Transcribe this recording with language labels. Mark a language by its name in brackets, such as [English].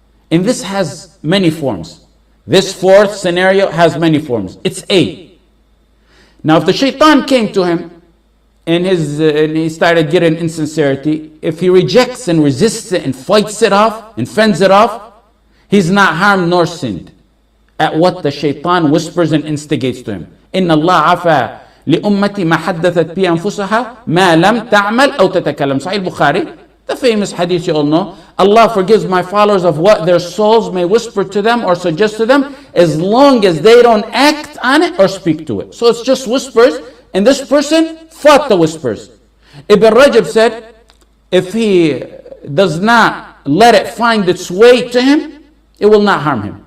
[English] And this has many forms. This fourth scenario has many forms. It's A. Now, if the shaitan came to him and he started getting insincerity, if he rejects and resists it and fights it off and fends it off, he's not harmed nor sinned at what the shaitan whispers and instigates to him. [Arabic] Inna Allah afa لأمتي ما حدثت بي أنفسها ما لم تعمل أو تتكلم. [English] Sahih Bukhari, the famous hadith, you all know. Allah forgives my followers of what their souls may whisper to them or suggest to them, as long as they don't act on it or speak to it. So it's just whispers, and this person fought the whispers. Ibn Rajab said, if he does not let it find its way to him, it will not harm him.